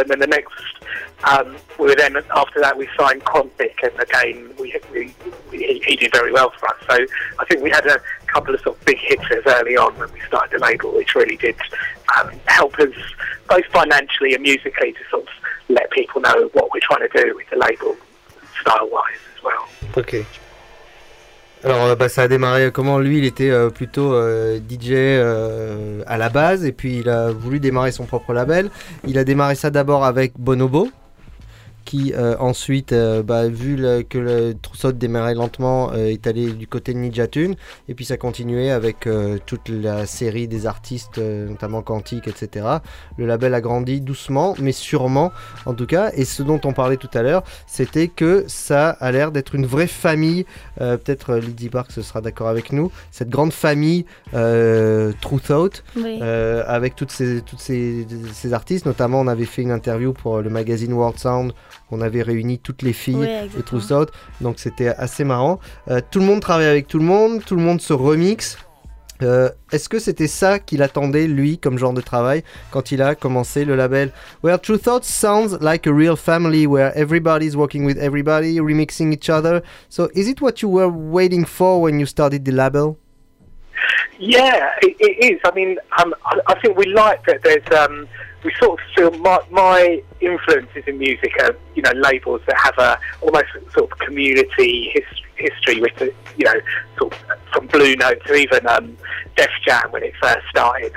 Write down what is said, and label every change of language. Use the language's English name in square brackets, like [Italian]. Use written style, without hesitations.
[English] And then the next, we signed Quantic, and again, he did very well for us. So I think we had a couple of sort of big hitters early on when we started the label, which really did help us both financially and musically to sort of let people know what we're trying to do with the label. Style-wise as well. [French] Ok. Alors, ça a démarré comment? Lui, il était plutôt DJ à la base, et puis il a voulu démarrer son propre label. Il a démarré ça d'abord avec Bonobo, qui ensuite, vu que le Truthout démarrait lentement, est allé du côté de Ninja Tune, et puis ça continuait avec toute la série des artistes, notamment Quantique, etc. Le label a grandi doucement, mais sûrement, en tout cas, et ce dont on parlait tout à l'heure, c'était que ça a l'air d'être une vraie famille, peut-être Lizzy Parks sera d'accord avec nous, cette grande famille Truthout, avec toutes ces artistes, notamment on avait fait une interview pour le magazine World Sound. On avait réuni toutes les filles de Truthout, donc c'était assez marrant. Tout le monde travaille avec tout le monde se remixe. Est-ce que c'était ça qu'il attendait, lui, comme genre de travail, quand il a commencé le label? [English] Well, Truthout sounds like a real family where everybody's working with everybody, remixing each other. So is it what you were waiting for when you started the label? Yeah, it is. I mean, I think we like that there's... We sort of feel my influences in music are, you know, labels that have a almost sort of community history with, you know, sort of from Blue Note to even Def Jam when it first started.